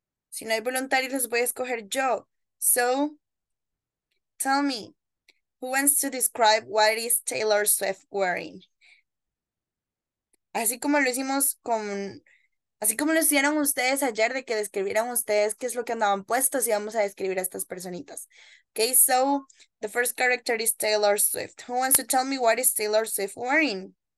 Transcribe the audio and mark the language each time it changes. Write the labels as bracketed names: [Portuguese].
[Spanish] Si no hay voluntarios, los voy a escoger yo. [English] So, tell me, who wants to describe what is Taylor Swift wearing? [Spanish] Así como lo hicimos con, así como lo hicieron ustedes ayer de que describieran ustedes qué es lo que andaban puestos y vamos a describir a estas personitas. [English] Okay, so the first character is Taylor Swift. Who wants to tell me what is Taylor Swift wearing?